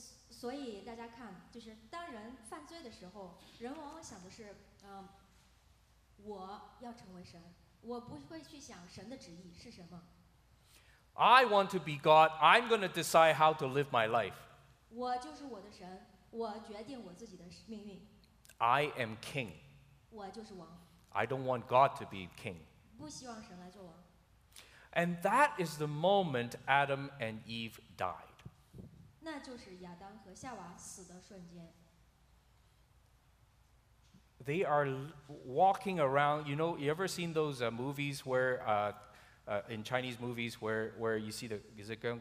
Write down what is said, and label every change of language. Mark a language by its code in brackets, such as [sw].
[zh] 所以大家看，就是当人犯罪的时候，人往往想的是，我要成为神，我不会去想神的旨意是什么。 [en] I want to be God. I'm going to decide how to live my life. [zh] 我就是我的神，我决定我自己的命运。 [en] I am king. [zh] 我就是王。 [en] I don't want God to be king. [zh] 不希望神来做王。 [en] And that is the moment Adam and Eve died. [zh] 那就是亚当和夏娃死的瞬间。 [en] They are walking around. You know, you ever seen those movies where, in Chinese movies where you see the is it